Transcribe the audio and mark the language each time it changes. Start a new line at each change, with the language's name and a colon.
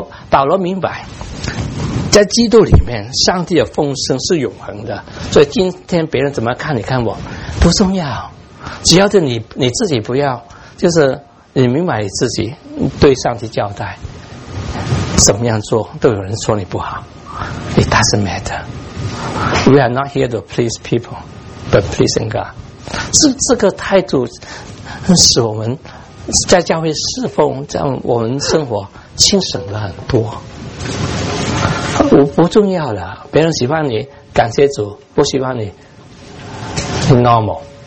Chinese: 保罗明白，在基督里面，上帝的丰盛是永恒的，所以今天别人怎么看你看我不重要，只要是你自己不要，就是你明白你自己对上帝交代，怎么样做都有人说你不好。
English: It doesn't matter. We are not here to please people, but pleasing God.
Chinese: 这个态度使我们在教会侍奉，在我们生活轻省了很多。不重要了，别人喜欢你感谢主，不喜欢你
English: normal。